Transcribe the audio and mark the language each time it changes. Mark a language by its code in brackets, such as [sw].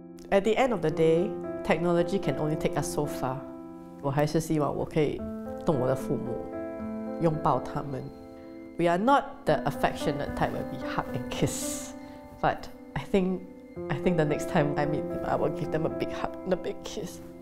[en] At the end of the day, technology can only take us so far. [zh] 我还是希望我可以动我的父母，拥抱他们. [en] We are not the affectionate type where we hug and kiss. But I think the next time I meet them, I will give them a big hug and a big kiss.